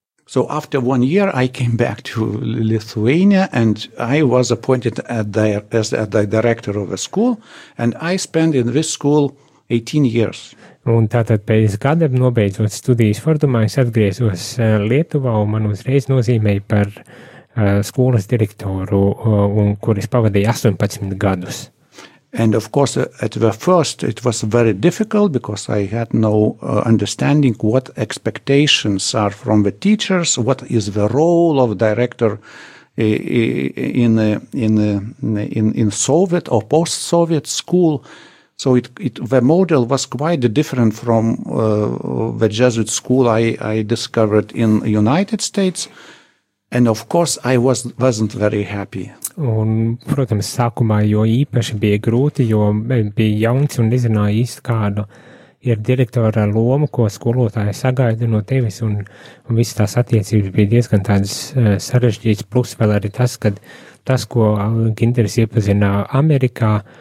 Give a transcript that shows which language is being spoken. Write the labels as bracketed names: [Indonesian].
[English] So after 1 year, I came back to Lithuania, and I was appointed as the director of a school, and I spent in this school 18 years. [Latvian] Un tātad pēc gada nobeidzot studijas Fordumā, es atgriezos Lietuvā, un man uzreiz nozīmēja par skolas direktoru, un kuris pavadīja 18 gadus. [English] And of course, at the first, it was very difficult, because I had no understanding what expectations are from the teachers, what is the role of director in Soviet or post-Soviet school. So it the model was quite different from the Jesuit school I discovered in the United States. And of course, I wasn't very happy. [Latvian] Un, protams, sākumā, jo īpaši bija grūti, jo bija jauns un nezināja īsti kādu ir direktora loma, ko skolotāja sagaida no tevis, un, un visas tās attiecības bija diezgan tādas sarežģītas, plus vēl arī tas, kad tas, ko Ginteris iepazina Amerikā,